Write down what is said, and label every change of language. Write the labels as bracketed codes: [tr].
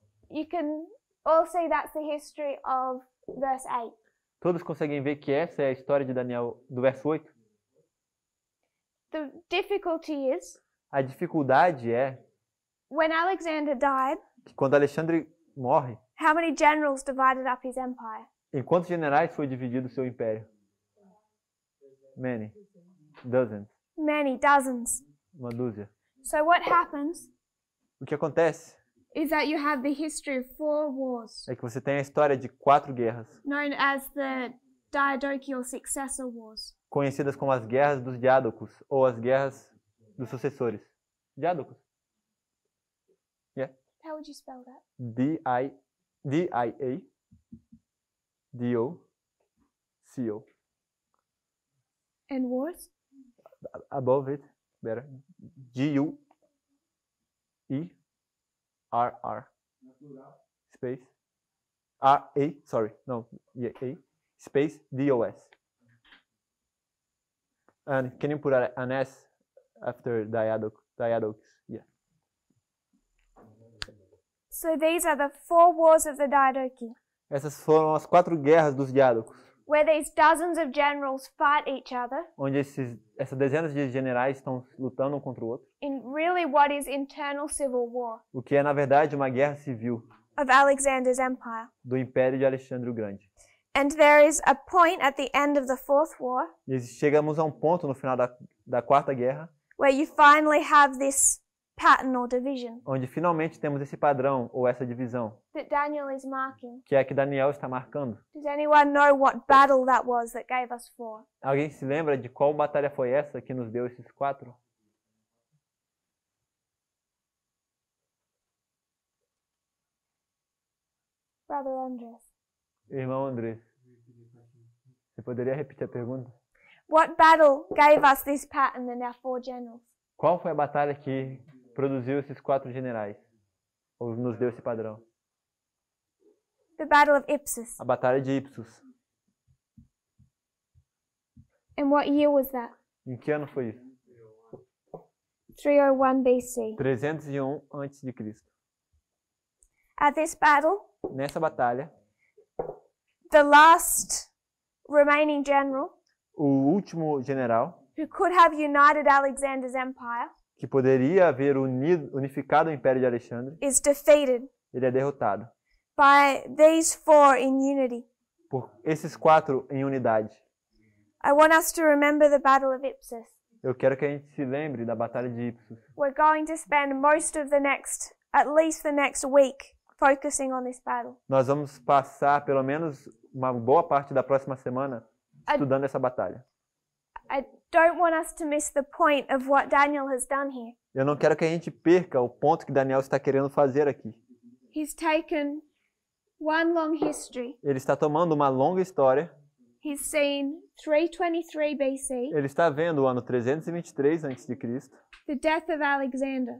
[en] You can all see that's the history of verse 8. [pt] Todos conseguem ver que essa é a história de Daniel, do verso 8? [en] The difficulty is... [pt] A dificuldade é... [en] When Alexander died... [pt] Que quando Alexandre morre... [en] How many generals divided up his empire? [pt] Em quantos generais foi dividido o seu império? [en] Many. Dozens. Many, dozens. [pt] Uma dúzia. [en] So what happens... [pt] O que acontece... [en] Is that you have the history of four wars. [pt] É que você tem a história de quatro guerras. [en] Known as the Diadochial Successor Wars. [pt] Conhecidas como as guerras dos Diádocos, ou as guerras dos sucessores. [en] Diádocos. Yeah. How would you spell that? D-I-A-D-O-C-O. And wars? Above it, better. G-U-E. R, R, space, R, A, sorry, no, yeah, A, space, D, O, S. And can you put an S after Diadochus? Yeah. So these are the four wars of the Diadochi. [pt] Essas foram as quatro guerras dos Diádocos. [en] Where these dozens of generals fight each other. [pt] Onde essas dezenas de generais estão lutando um contra o outro. [en] In really what is internal civil war. [pt] O que é, na verdade, uma guerra civil. [en] Of Alexander's empire. [pt] Do império de Alexandre o Grande. [en] And there is a point at the end of the fourth war. [pt] E chegamos a um ponto no final da quarta guerra. [en] Where you finally have this pattern or division. [pt] Onde finalmente temos esse padrão ou essa divisão. [en] That Daniel is marking. [pt] Que é que Daniel está marcando. [en] Does anyone know what battle that was that gave us four? [pt] Alguém se lembra de qual batalha foi essa que nos deu esses quatro? [en] Brother Andres. [pt] Irmão Andres. Você poderia repetir a pergunta? [en] What battle gave us this pattern and our four generals? [pt] Qual foi a batalha que produziu esses quatro generais? Ou nos deu esse padrão? [en] The Battle of Ipsus. [pt] A Batalha de Ipsus. [en] And what year was that? [pt] Em que ano foi isso? [en] 301 BC. [pt] 301 antes de Cristo. [en] At this battle, [pt] nessa batalha, [en] the last remaining general, [pt] o último general, [en] who could have united Alexander's empire, [pt] que poderia haver unificado o Império de Alexandre, [en] is defeated. [pt] Ele é derrotado. [en] By these four in unity. [pt] Por esses quatro em unidade. [en] I want us to remember the Battle of Ipsus. [pt] Eu quero que a gente se lembre da Batalha de Ipsus. [en] We're going to spend most of the next, at least the next week, focusing on this battle. [pt] Nós vamos passar pelo menos uma boa parte da próxima semana estudando essa batalha. [en] I don't want us to miss the point of what Daniel has done here. [pt] Eu não quero que a gente perca o ponto que Daniel está querendo fazer aqui. [en] He's taken one long history. [pt] Ele está tomando uma longa história. [en] He's seen 323 BC. [pt] Ele está vendo o ano 323 antes de Cristo. [en] The death of Alexander.